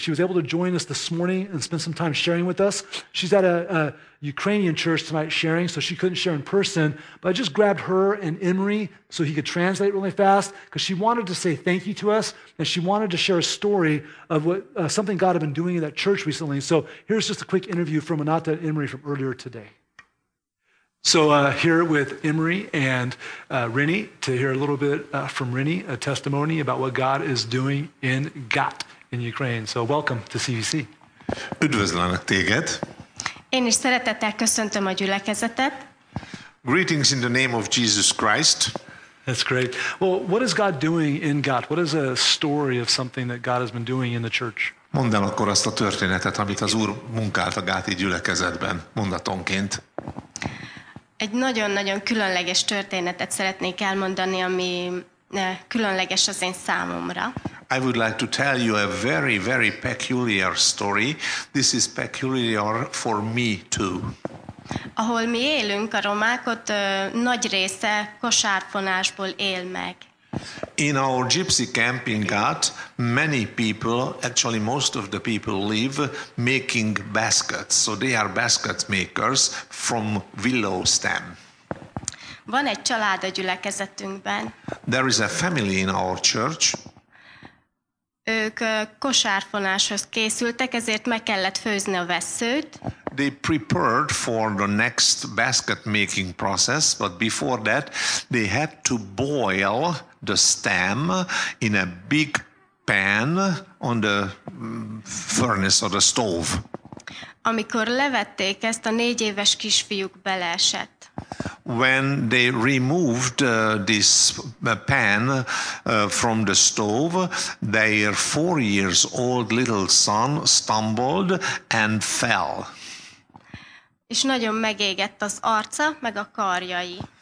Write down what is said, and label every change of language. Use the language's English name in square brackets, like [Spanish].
[English] She was able to join us this morning and spend some time sharing with us. She's at a Ukrainian church tonight sharing, so she couldn't share in person, but I just grabbed her and Emery so he could translate really fast because she wanted to say thank you to us, and she wanted to share a story of what something God had been doing in that church recently. So here's just a quick interview from Renata and Emery from earlier today. So here with Emery and Rennie to hear a little bit from Rennie, a testimony about what God is doing in Ghat in Ukraine. So welcome to CVC. [Hungarian] Üdvözlenek téged. Én is szeretettel köszöntöm a gyülekezetet. [English] Greetings in the name of Jesus Christ. That's great. Well, what is God doing in Ghat? What is a story of something that God has been doing in the church? [Hungarian] Mondd el akkor azt a történetet, amit az Úr munkált a gáti gyülekezetben, mondatonként. Egy nagyon-nagyon különleges történetet szeretnék elmondani, ami különleges az én számomra. [English] I would like to tell you a very, very peculiar story. This is peculiar for me too. [Hungarian] Ahol mi élünk, a romák, ott nagy része kosárfonásból él meg. [English] In our gypsy camp in Ghat, many people, actually most of the people live making baskets. So they are basket makers from willow stem. [Hungarian] Van egy család a gyülekezetünkben. [English] There is a family in our church. [Hungarian] Ők kosárfonáshoz készültek, ezért meg kellett főzni a vesszőt. [English] They prepared for the next basket making process, but before that they had to boil the stem in a big pan on the furnace or the stove. [Hungarian] Amikor levették ezt, a 4 éves kisfiúk beleesett. [English] When they removed this pan from the stove, their 4 years old little son stumbled and fell. [Hungarian] És nagyon megégett az arca, meg a karjai.